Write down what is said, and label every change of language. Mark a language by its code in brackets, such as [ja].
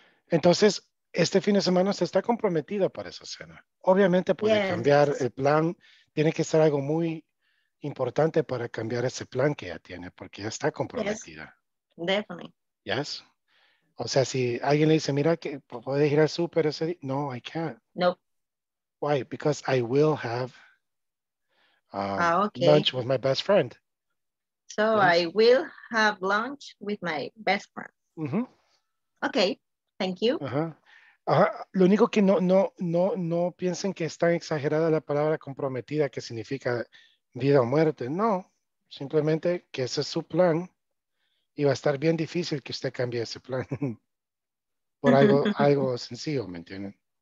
[es] Entonces, este fin de semana se está comprometida para esa cena. Obviamente puede cambiar el plan. Tiene que ser algo muy importante para cambiar ese plan que ya tiene, porque ya está comprometida. [en] Yes. Definitely. Yes. [es] O sea, si alguien le dice, mira, que puedes ir al súper ese día. [en] No, I can't. Nope. Why? Because I will have lunch with my best friend. So yes. I will have lunch with my best friend. Mm-hmm. Okay. Thank you. Uh-huh. Ajá. [es] Lo único que no piensen que es tan exagerada la palabra comprometida que significa vida o muerte. No, simplemente que ese es su plan y va a estar bien difícil que usted cambie ese plan por algo sencillo, ¿me entienden?